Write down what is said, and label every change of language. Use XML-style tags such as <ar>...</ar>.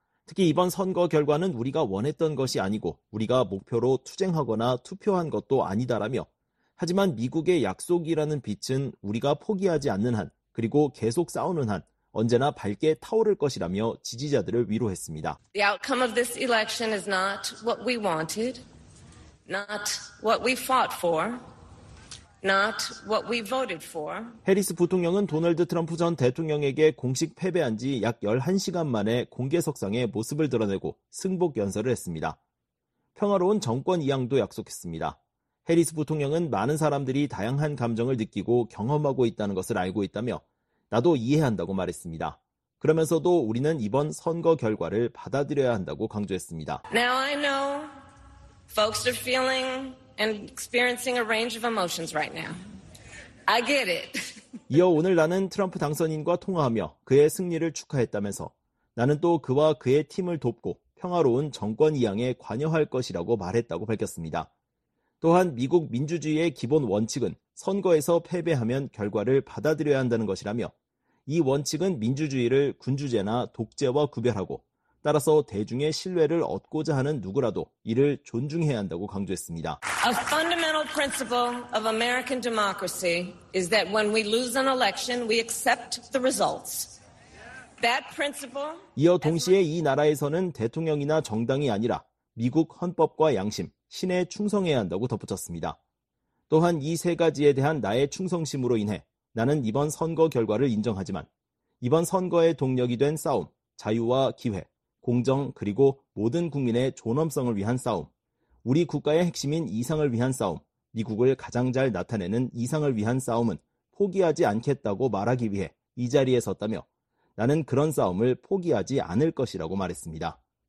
<ko>특히 이번 선거 결과는 우리가 원했던 것이 아니고 우리가 목표로 투쟁하거나 투표한 것도 아니다라며 하지만 미국의 약속이라는 빛은 우리가 포기하지 않는 한 그리고 계속 싸우는 한 언제나 밝게 타오를 것이라며 지지자들을 위로했습니다.</ko> <en>The outcome of this election is not what we wanted, not what we fought for, not what we voted for.</en> <ko>해리스 부통령은 도널드 트럼프 전 대통령에게 공식 패배한 지 약 11시간 만에 공개석상에 모습을 드러내고 승복 연설을 했습니다. 평화로운 정권 이양도 약속했습니다. 해리스 부통령은 많은 사람들이 다양한 감정을 느끼고 경험하고 있다는 것을 알고 있다며 나도 이해한다고 말했습니다. 그러면서도 우리는 이번 선거 결과를 받아들여야 한다고 강조했습니다.</ko> <en>Now I know folks are feeling and experiencing a range of emotions right now. I get it.</en> <ko>이어 오늘 나는 트럼프 당선인과 통화하며 그의 승리를 축하했다면서 나는 또 그와 그의 팀을 돕고 평화로운 정권 이양에 관여할 것이라고 말했다고 밝혔습니다. 또한 미국 민주주의의 기본 원칙은 선거에서 패배하면 결과를 받아들여야 한다는 것이라며 이 원칙은 민주주의를 군주제나 독재와 구별하고 따라서 대중의 신뢰를 얻고자 하는 누구라도 이를 존중해야 한다고 강조했습니다.</ko> <en>A fundamental principle of American democracy is that when we lose an election, we accept the results. That principle.</en> <ko>이어 동시에 이 나라에서는 대통령이나 정당이 아니라 미국 헌법과 양심, 신에 충성해야 한다고 덧붙였습니다. 또한 이 세 가지에 대한 나의 충성심으로 인해 나는 이번 선거 결과를 인정하지만 이번 선거의 동력이 된 싸움, 자유와 기회, 공정 그리고 모든 국민의 존엄성을 위한 싸움, 우리 국가의 핵심인 이상을 위한 싸움, 미국을 가장 잘 나타내는 이상을 위한 싸움은 포기하지 않겠다고 말하기 위해 이 자리에 섰다며 나는 그런 싸움을 포기하지 않을 것이라고 말했습니다.</ko>